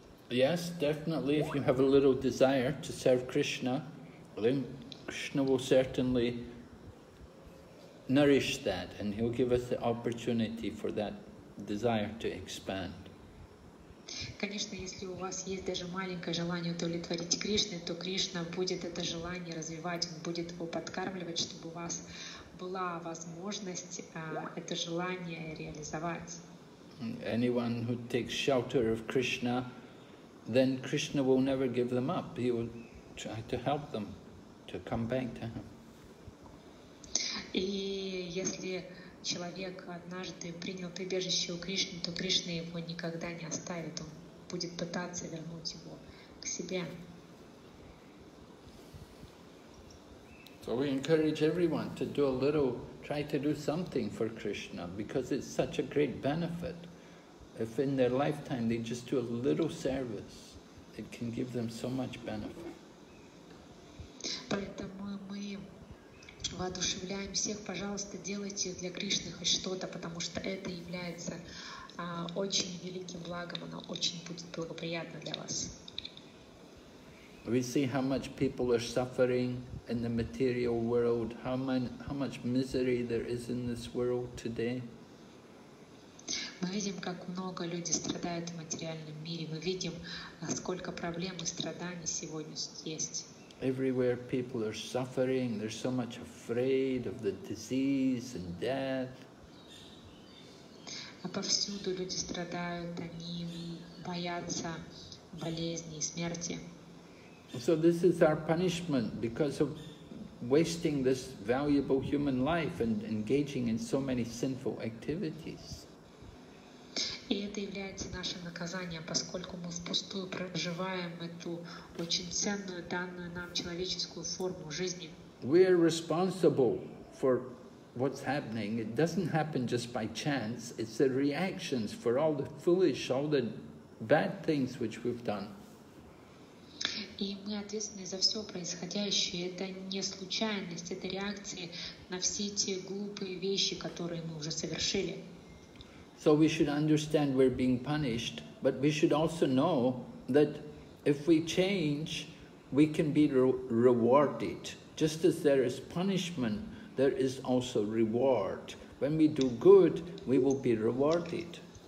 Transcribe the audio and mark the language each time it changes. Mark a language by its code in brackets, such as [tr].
[en] Yes, definitely. If you have a little desire to serve Krishna, then Krishna will certainly nourish that, and he'll give us the opportunity for that desire to expand. [ru] Конечно, если у вас есть даже маленькое желание удовлетворить Кришне, то Кришна будет это желание развивать, будет его подкармливать, чтобы у вас была возможность это желание реализовать. [en] Anyone who takes shelter of Krishna, then Krishna will never give them up. He will try to help them to come back to him. [ru] И если человек однажды принял прибежище у Кришны, то Кришна его никогда не оставит. Он будет пытаться вернуть его к себе. [en] So we encourage everyone to do a little, try to do something for Krishna, because it's such a great benefit. If in their lifetime they just do a little service, it can give them so much benefit. [ru] Поэтому мы воодушевляем всех, пожалуйста, делайте для Кришны хоть что-то, потому что это является очень великим благом, оно очень будет благоприятно для вас. [en] We see how much people are suffering in the material world, how much misery there is in this world today. [ru] Мы видим, как много людей страдают в материальном мире. Мы видим, сколько проблем и страданий сегодня есть. [en] Everywhere people are suffering, they're so much afraid of the disease and death. [ru] Повсюду люди страдают, они боятся болезни и смерти. [en] So this is our punishment because of wasting this valuable human life and engaging in so many sinful activities. [ru] И это является нашим наказанием, поскольку мы впустую проживаем эту очень ценную, данную нам человеческую форму жизни. [en] We are responsible for what's happening. It doesn't happen just by chance. It's the reactions for all the foolish, all the bad things which we've done. [ru] И мы ответственны за все происходящее. Это не случайность, это реакции на все те глупые вещи, которые мы уже совершили. [en] So we should understand we're being punished, but we should also know that if we change, we can be rewarded. Just as there is punishment, there is also reward. When we do good, we will be rewarded.